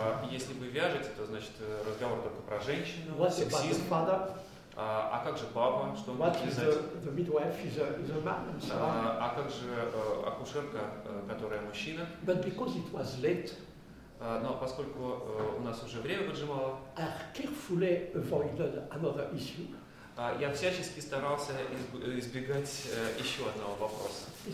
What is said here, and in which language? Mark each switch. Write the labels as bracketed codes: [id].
[ru] Если вы вяжете, то значит разговор только про женщину, [en] what [ru] сексизм. А как же папа, что он будет знать? [en] The midwife is a man, so [ru] а как же акушерка, которая мужчина? [en] But because it was late, [ru] но поскольку у нас уже время поджимало, [en] I carefully avoided another issue. [ru] Я всячески старался избегать еще одного вопроса.